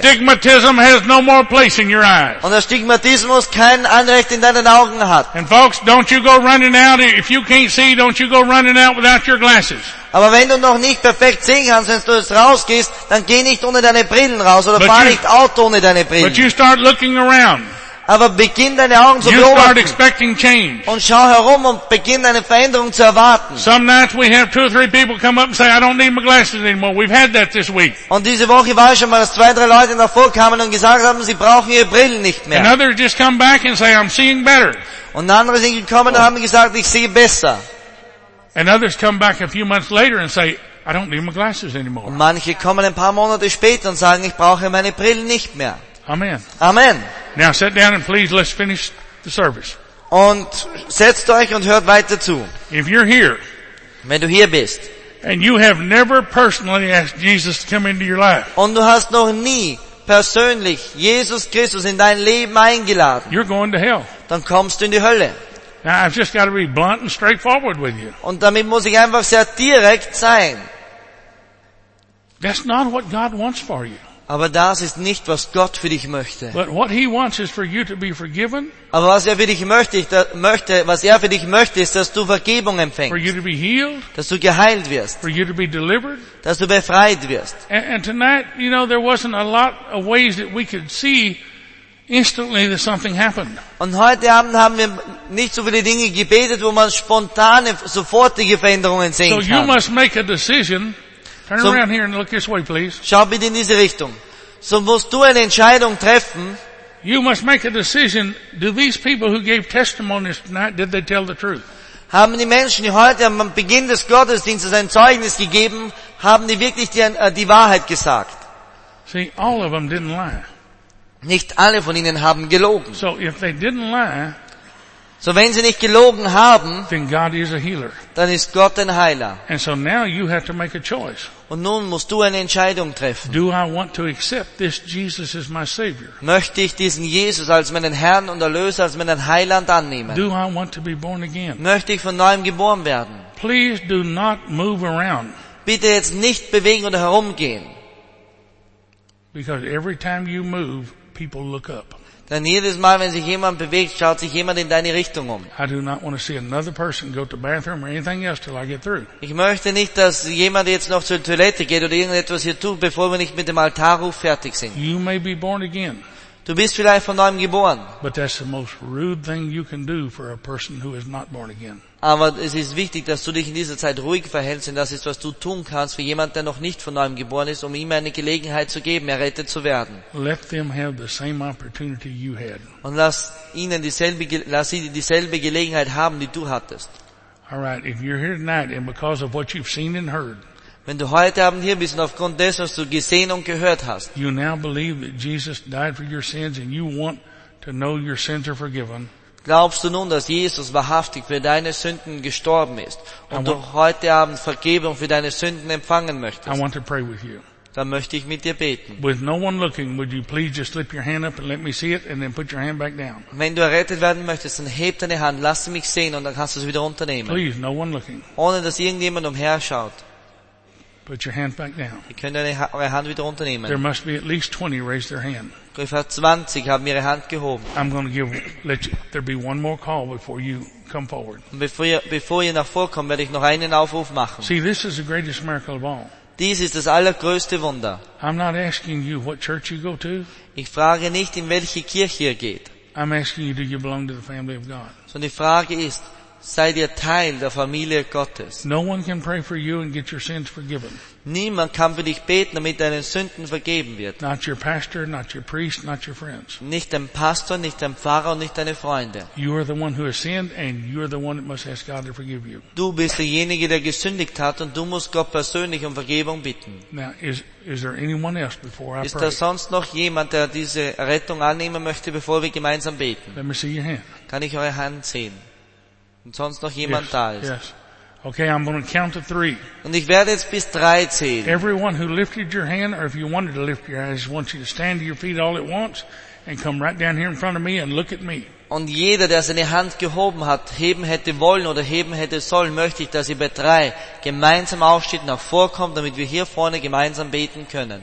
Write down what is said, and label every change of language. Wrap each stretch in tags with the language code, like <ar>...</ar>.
<de>Und der Stigmatismus kein Anrecht in deinen Augen hat.</de> <en>And folks, don't you go running out if you can't see? Don't you go running out without your glasses?</en> <de>Aber wenn du noch nicht perfekt sehen kannst, wenn du jetzt rausgehst, dann geh nicht ohne deine Brillen raus oder fahr nicht Auto ohne deine Brillen.</de> <en>But you start looking around.</en> <de>Aber beginn deine Augen zu beobachten und schau herum und beginn deine Veränderung zu erwarten.</de> <en>Some nights we have two or three people come up and say, I don't need my glasses anymore. We've had that this week.</en> <de>Und diese Woche war schon mal, dass zwei, drei Leute nach vorne kamen und gesagt haben, sie brauchen ihre Brillen nicht mehr.</de> <en>And others just come back and say, I'm seeing better.</en> <de>Und andere sind gekommen und haben gesagt, ich sehe besser.</de> <en>And others come back a few months later and say, I don't need my glasses anymore.</en> <de>Und manche kommen ein paar Monate später und sagen, ich brauche meine Brillen nicht mehr.</de> <en>Amen.</en> <de>Amen.</de> <en>Now sit down and please let's finish the service.</en> <de>Und setzt euch und hört weiter zu.</de> <en>If you're here,</en> <de>wenn du hier bist,</de> <en>and you have never personally asked Jesus to come into your life,</en> <de>und du hast noch nie persönlich Jesus Christus in dein Leben eingeladen,</de> <en>you're going to hell.</en> <de>Dann kommst du in die Hölle.</de> <en>Now I've just got to be blunt and straightforward with you.</en> <de>Und damit muss ich einfach sehr direkt sein.</de> <en>That's not what God wants for you.</en> <de>Aber das ist nicht, was Gott für dich möchte.</de> <en>But what He wants is for you to be forgiven.</en> <de>Aber was er für dich möchte, was er für dich möchte, ist, dass du Vergebung empfängst.</de> <en>For you to be healed.</en> <de>Dass du geheilt wirst.</de> <en>For you to be delivered.</en> <de>Dass du befreit wirst.</de> <en>And tonight, you know, there wasn't a lot of ways that we could see instantly that something happened.</en> <de>Und heute Abend haben wir nicht so viele Dinge gebetet, wo man spontane, sofortige Veränderungen sehen kann.</de> <en>So you must make a decision. Turn around here and look this way, please.</en> <de>Schau bitte in diese Richtung. So musst du eine Entscheidung treffen.</de> <en>You must make a decision. Do these people who gave testimonies tonight, did they tell the truth?</en> <de>Haben die Menschen, die heute am Beginn des Gottesdienstes ein Zeugnis gegeben, haben die wirklich die Wahrheit gesagt?</de> <en>See, all of them didn't lie.</en> <de>Nicht alle von ihnen haben gelogen.</de> <en>So, if they didn't lie,</en> <de>so wenn sie nicht gelogen haben,</de> <en>then God is a healer.</en> <de>Dann ist Gott ein Heiler.</de> <en>And so now you have to make a choice.</en> <de>Und nun musst du eine Entscheidung treffen.</de> <en>Do I want to accept this Jesus as my Savior?</en> <de>Möchte ich diesen Jesus als meinen Herrn und Erlöser, als meinen Heiland annehmen?</de> <en>Do I want to be born again?</en> <de>Möchte ich von neuem geboren werden?</de> <en>Please do not move around.</en> <de>Bitte jetzt nicht bewegen oder herumgehen.</de> <en>Because every time you move, people look up.</en> <de>Denn jedes Mal, wenn sich jemand bewegt, schaut sich jemand in deine Richtung um.</de> <en>I do not want to see another person go to the bathroom or anything else till I get through.</en> <de>Ich möchte nicht, dass jemand jetzt noch zur Toilette geht oder irgendetwas hier tut, bevor wir nicht mit dem Altarruf fertig sind.</de> <en>You may be born again.</en> <de>Du bist vielleicht von neuem geboren.</de> <en>But that's the most rude thing you can do for a person who is not born again.</en> <de>Aber es ist wichtig, dass du dich in dieser Zeit ruhig verhältst, denn das ist, was du tun kannst für jemanden, der noch nicht von neuem geboren ist, um ihm eine Gelegenheit zu geben, errettet zu werden.</de> <en>Let them have the same opportunity you had.</en> <de>Und lass sie dieselbe Gelegenheit haben, die du hattest.</de> <en>Alright, if you're here tonight and because of what you've seen and heard,</en> <de>wenn du heute Abend hier bist und aufgrund dessen, was du gesehen und gehört hast,</de> <en>you now believe that Jesus died for your sins and you want to know your sins are forgiven,</en> <de>Glaubst du nun, dass Jesus wahrhaftig für deine Sünden gestorben ist und du heute Abend Vergebung für deine Sünden empfangen möchtest?</de> <en>I want to pray with you.</en> <de>Dann möchte ich mit dir beten.</de> <en>With no one looking, would you please just slip your hand up and let me see it and then put your hand back down.</en> <de>Wenn du errettet werden möchtest, dann heb deine Hand, lass sie mich sehen und dann kannst du es wieder unternehmen.</de> <en>Please, no one looking.</en> <de>Ohne dass irgendjemand umher schaut.</de> <en>Put your hand back down.</en> <de>Ihr könnt eure Hand wieder unternehmen.</de> <en>There must be at least 20 raise their hand.</en> <de>Ungefähr 20 haben ihre Hand gehoben.</de> <en>I'm going to give, let you, there be one more call before you come forward.</en> <de>Bevor ihr nach vorkommt, werde ich noch einen Aufruf machen.</de> <en>See, this is the greatest miracle of all.</en> <de>Dies ist das allergrößte Wunder.</de> <en>I'm not asking you what church you go to.</en> <de>Ich frage nicht, in welche Kirche ihr geht.</de> <en>I'm asking you, do you belong to the family of God?</en> <de>Sondern die Frage ist, seid ihr Teil der Familie Gottes?</de> <en>No one can pray for you and get your sins forgiven.</en> <de>Niemand kann für dich beten, damit deine Sünden vergeben wird.</de> <en>Not your pastor, not your priest, not your friends.</en> <de>Nicht dein Pastor, nicht dein Pfarrer und nicht deine Freunde.</de> <en>You are the one who has sinned and you are the one that must ask God to forgive you.</en> <de>Du bist derjenige, der gesündigt hat und du musst Gott persönlich um Vergebung bitten.</de> <en>Now, is there anyone else before I pray?</en> <de>Ist da sonst noch jemand, der diese Rettung annehmen möchte, bevor wir gemeinsam beten?</de> <en>Let me see your hand.</en> <de>Kann ich eure Hand sehen? Und sonst noch jemand</de> <en>yes,</en> <de>da ist.</de> <en>Yes. Okay, I'm going to count to three.</en> <de>Und ich werde jetzt bis drei zählen.</de> <en>Everyone who lifted your hand, or if you wanted to lift your hand, I just want you to stand to your feet all at once and come right down here in front of me and look at me.</en> <de>Und jeder, der seine Hand gehoben hat, heben hätte wollen oder heben hätte sollen, möchte ich, dass ihr bei drei gemeinsam aufsteht, nach vorkommt, damit wir hier vorne gemeinsam beten können.</de>